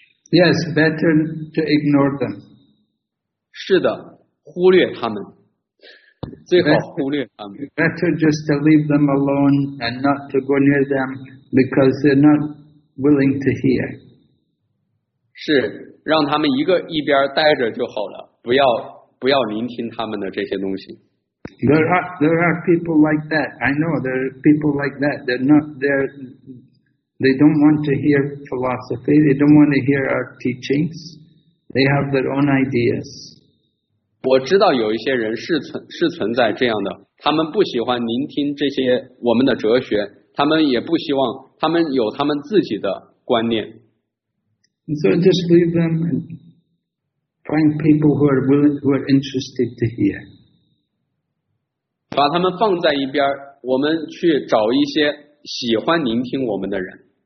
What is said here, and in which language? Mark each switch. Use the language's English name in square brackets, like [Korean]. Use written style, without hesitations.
[English] Yes, better to ignore them. [Chinese] 是的，忽略他们。 [English] Better just to leave them alone and not to go near them because they're not willing to hear. [Chinese] 是让他们一边待着就好了，不要聆听他们的这些东西。 [English] There are people like that. I know there are people like that. They don't want to hear philosophy. They don't want to hear our teachings. They have their own ideas. [Chinese] 我知道有一些人是存在这样的，他们不喜欢聆听这些我们的哲学，他们也不希望，他们有他们自己的观念。 [English] So just leave them and find people who are willing, who are interested to hear. [Chinese] 把他们放在一边，我们去找一些喜欢聆听我们的人。